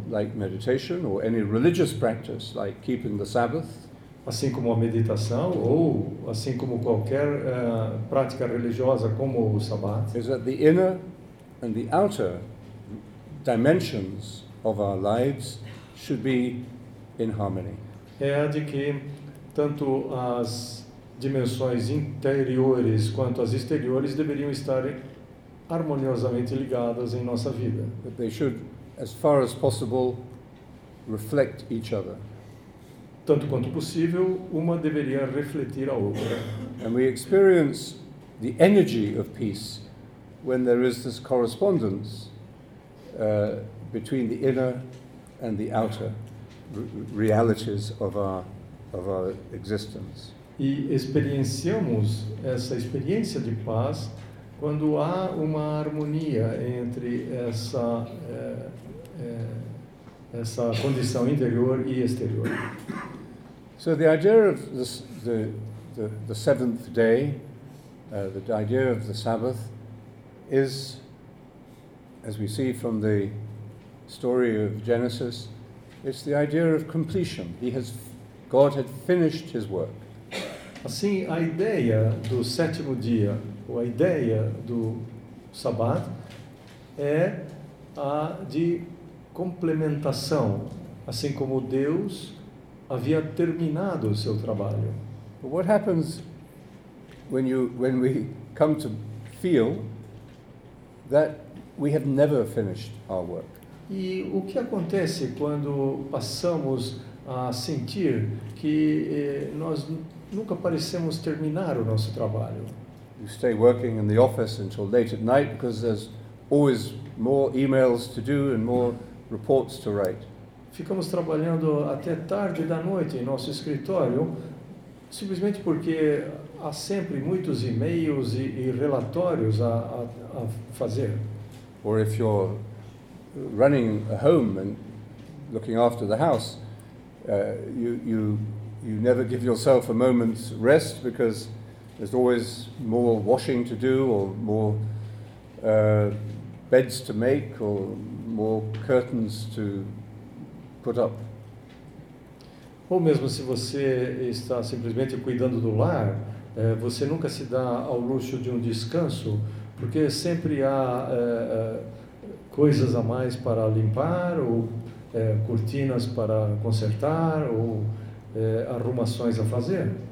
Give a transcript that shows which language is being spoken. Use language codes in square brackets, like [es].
[en] like meditation or any religious practice, like keeping the Sabbath, [pt] assim como a meditação ou assim como qualquer prática religiosa como o Sabbat, [en] is that the inner and the outer dimensions of our lives should be in harmony. [pt] É de que tanto as dimensões interiores quanto as exteriores deveriam estar harmoniosamente ligadas em nossa vida. [en] That they should, as far as possible, reflect each other. [pt] Tanto quanto possível, uma deveria refletir a outra. [en] And we experience the energy of peace when there is this correspondence between the inner and the outer realities of our existence. [pt] E experienciamos essa experiência de paz quando há uma harmonia entre essa condição interior e exterior. [en] So the idea of the seventh day, the idea of the Sabbath, is, as we see from the story of Genesis, it's the idea of completion. God had finished his work. [pt] Assim, a ideia do sétimo dia, ou a ideia do Sabbat, é a de complementação, assim como Deus havia terminado o seu trabalho. [en] But what happens when we come to feel that we have never finished our work? [pt] E o que acontece quando passamos a sentir que nós nunca parecemos terminar o nosso trabalho? [en] You stay working in the office until late at night because there's always more emails to do and more reports to write. [pt] Ficamos trabalhando até tarde da noite em nosso escritório, simplesmente porque há sempre muitos e-mails e relatórios a fazer. [en] Or if you're running a home and looking after the house, you never give yourself a moment's rest because there's always more washing to do or more beds to make or more curtains to put up. [pt] Ou mesmo se você está simplesmente cuidando do lar, você nunca se dá ao luxo de um descanso, porque sempre há coisas a mais para limpar, ou cortinas para consertar, ou arrumações a fazer.